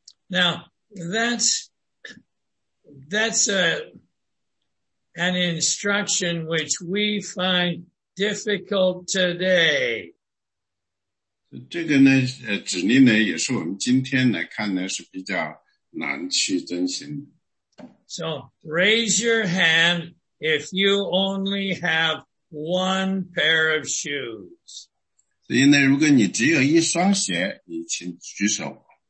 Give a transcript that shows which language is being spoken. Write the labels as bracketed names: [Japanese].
[English] Now, that's an instruction which we find difficult today. [Chinese] 这个呢，指令呢，也是我们今天来看呢，是比较难去遵循的。 [English] So, raise your hand if you only have one pair of shoes. [Chinese] 所以呢，如果你只有一双鞋，你请举手。